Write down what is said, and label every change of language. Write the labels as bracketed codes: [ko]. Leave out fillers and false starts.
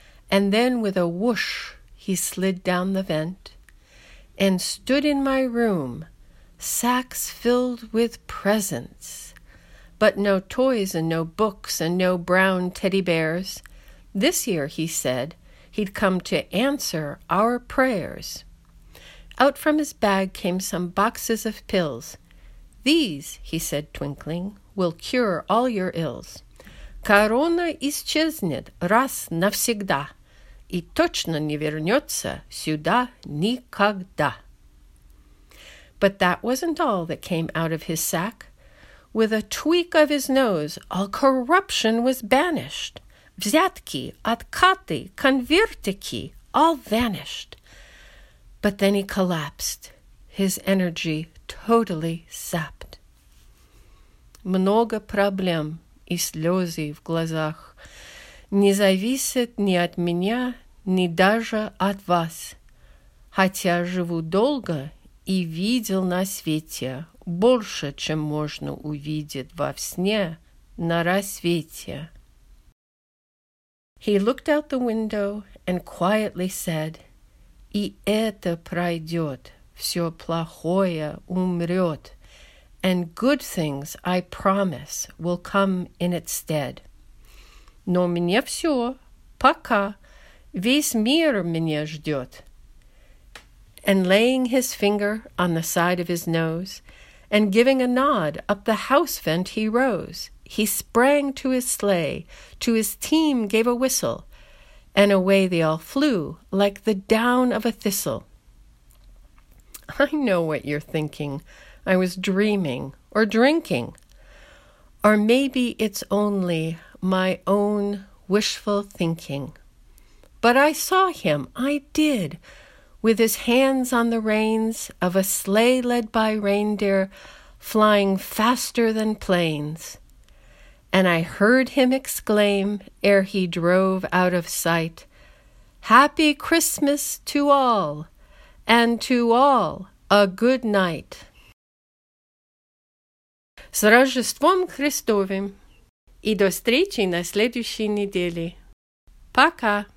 [en] And then with a whoosh he slid down the vent and stood in my room, sacks filled with presents, but no toys and no books and no brown teddy bears. This year, he said, he'd come to answer our prayers. Out from his bag came some boxes of pills. "These," he said, twinkling, "will cure all your ills. [ru] Корона исчезнет раз навсегда, и точно не вернется сюда никогда." [en] But that wasn't all that came out of his sack. With a tweak of his nose, all corruption was banished. [ru] Взятки, откаты, конвертики, [en] all vanished. But then he collapsed, his energy totally sapped. [ru] Много проблем и слезы в глазах. Не зависит ни от меня, ни даже от вас. Хотя живу долго и видел на свете больше, чем можно увидеть во сне на рассвете. [en] He looked out the window and quietly said, [ru] "И это пройдет, все плохое умрет, [en] and good things, I promise, will come in its stead. [ru] Но мне все, пока, весь мир меня ждет." [en] And laying his finger on the side of his nose, and giving a nod up the house vent he rose, he sprang to his sleigh, to his team gave a whistle, and away they all flew like the down of a thistle. I know what you're thinking. I was dreaming or drinking. Or maybe it's only my own wishful thinking. But I saw him, I did, with his hands on the reins of a sleigh led by reindeer flying faster than planes. And I heard him exclaim, ere he drove out of sight, "Happy Christmas to all, and to all a good night." [ru] С Рождеством Христовым! И до встречи на следующей неделе! Пока!